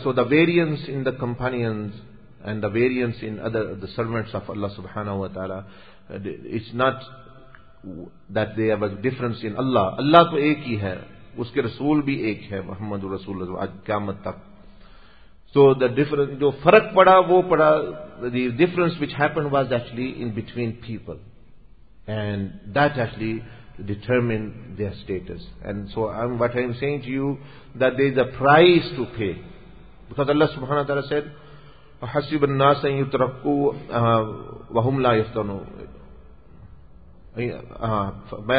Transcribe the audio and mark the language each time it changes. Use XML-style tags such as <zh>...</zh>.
<en>So the variance in the companions and the variance in other the servants of Allah subhanahu wa ta'ala, it's not that they have a difference in Allah.</en> <ur>Allah تو ایک ہی ہے, اس کے رسول بھی ایک ہے, محمد رسول اللہ آج قیامت تک.</ur> <en>So the difference,</en> <ur>جو فرق پڑا وہ پڑا,</ur> <en>the difference which happened was actually in between people, and that actually determine their status. And so what I am saying to you, that there is a price to pay, because Allah subhanahu wa ta'ala said,</en> <ar>وَحَسِبَ النَّاسَ أَن يُتْرَكُوا وَهُمْ لَا يُفْتَنُونَ.</ar>